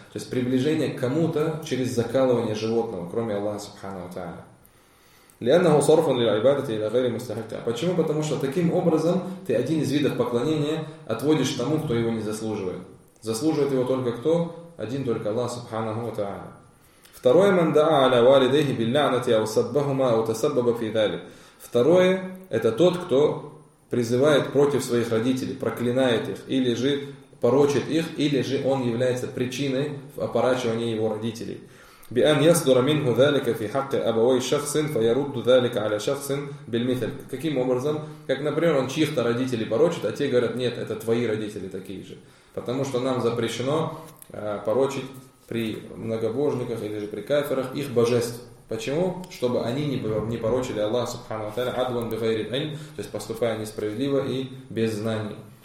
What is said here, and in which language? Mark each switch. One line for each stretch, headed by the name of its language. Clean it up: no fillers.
Russian: То есть, приближение к кому-то через закалывание животного, кроме Аллаха Субхану Тааля.
Arabic: Лианнаху сарфун лил-ибадати иля гайри мустахикка.
Russian: Почему? Потому что таким образом ты один из видов поклонения отводишь тому, кто его не заслуживает. Заслуживает его только кто? Один только Аллах Субхану Тааля. Второе,
Arabic: من دعا على والديه باللعنة أو سببهما أو تسبب في ذلك.
Russian: Второе, это тот, кто призывает против своих родителей, проклинает их, или же порочит их, или же он является причиной в опорочении его родителей.
Arabic: بأن يصدر منه ذلك في حق أبوي شخص فيرد ذلك على شخص بالمثل.
Russian: Каким образом? Как, например, он чьих-то родителей порочит, а те говорят, нет, это твои родители такие же. Потому что нам запрещено порочить при многобожниках или же при кафирах их божеств. Почему? Чтобы они не порочили Аллах Субхану ва Тааля
Arabic: адван би гайри ильм,
Russian: то есть поступая несправедливо и без знаний.